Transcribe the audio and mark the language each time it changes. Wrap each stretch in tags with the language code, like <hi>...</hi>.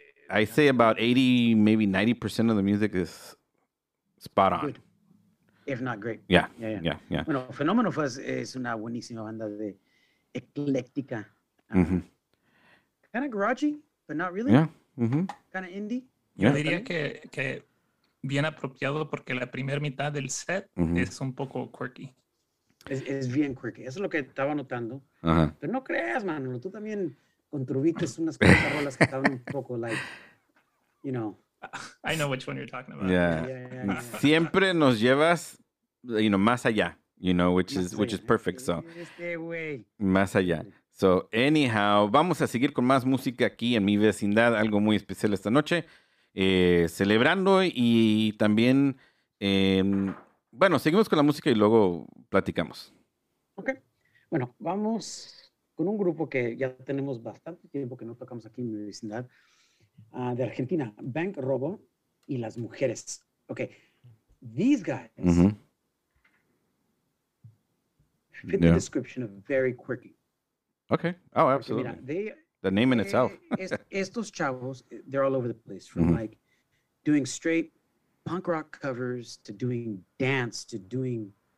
<en>I say about 80, maybe 90% of the music is spot on. Good. If not great. Yeah.</en> <es>Bueno, Fenomeno Fuzz es una buenísima banda de ecléctica.</es> <en>Kind of garagey, but not really. Yeah. Kind of indie. Yeah.</en> <es>Yo diría que bien apropiado porque la primera mitad del set es un poco quirky. Es bien quirky. Eso es lo que estaba notando. Pero no creas, Manolo, tú también... Contribuites unas cuantas rolas que estaban un poco like, you know.</es> <en>I know which one you're talking about. Yeah.</en> <es>Siempre nos llevas,</es> <en>you know,</en> <es>más allá,</es> <en>you know, which is perfect.</en> <es>So, más allá. So, anyhow, vamos a seguir con más música aquí en mi vecindad, algo muy especial esta noche, celebrando y también, bueno, seguimos con la música y luego platicamos. Ok. Bueno, vamos. Con un grupo que ya tenemos bastante tiempo que no tocamos aquí en mi vecindad, de Argentina, Bank Robo y las Mujeres.</es> <en>Ok, these guys fit the description of very quirky. Ok, oh, absolutely. Mira, the name in itself.</en> <es>estos chavos,</es> <en>they're all over the place, from like doing straight punk rock covers to doing dance to doing...</en>